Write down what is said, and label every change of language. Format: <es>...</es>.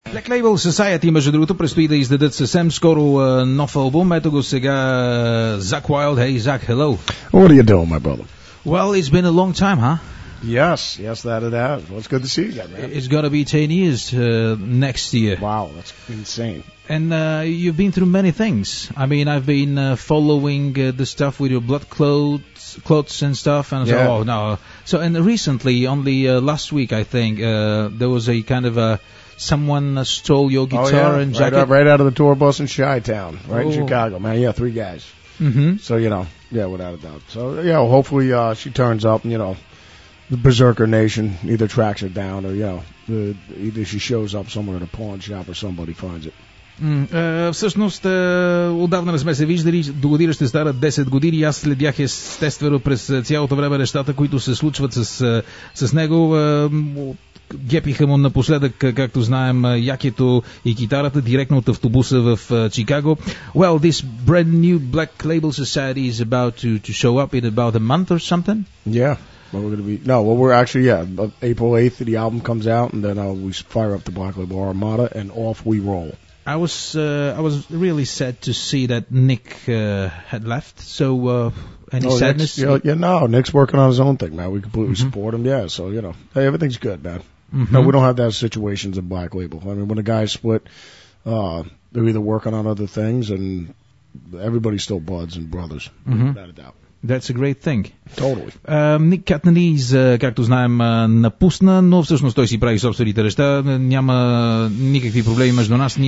<bg>Black Label Society, между другото, предстои да издадат съвсем скоро нов албум. Ето го сега, Zach Wild.</bg> <en>Hey, Zach, hello. What are you doing, my brother? Well, it's been a long time, huh? Yes, that it has. Well, it's good to see you again, man. It's got to be 10 years next year. Wow, that's insane. And you've been through many things. I mean, I've been following the stuff with your blood clots and stuff. And yeah. So recently, only last week, I think, there was a kind of a... Someone stole your guitar and jacket. Right out of the tour bus in Chi-Town, right in Chicago, man. Yeah, three guys. Mm-hmm. So, you know, yeah, without a doubt. So, yeah, well, hopefully she turns up and, you know, the Berserker Nation either tracks her down or, you know, either she shows up somewhere in a pawn shop or somebody finds it.</en> <bg>Всъщност, отдавна не сме се виждали, до година ще стара 10 години. Аз следях естествено през цялото време нещата, които се случват с него. Гепиха му напоследък, както знаем, якето и китарата директно от автобуса в Чикаго.</bg> <en>Well, this brand new Black Label Society is about to show up in about a month or something. Yeah. Well, we're going to be... No, well, we're actually, April 8th, the album comes out, and then we fire up the Black Label Armada, and off we roll. I was really sad to see that Nick had left, so any sadness? Nick's working on his own thing, man. We completely support him, yeah, so, you know. Hey, everything's good, man. Mm-hmm. No, we don't have that situations in Black Label. I mean, when a guy's split, they're either working on other things, and everybody's still buds and brothers, without a doubt. That's a great thing. Totally.</en> <bg>Ник Катнелиз, както знаем, напусна, но всъщност той си прави собствените неща. Няма никакви проблеми между нас.</bg>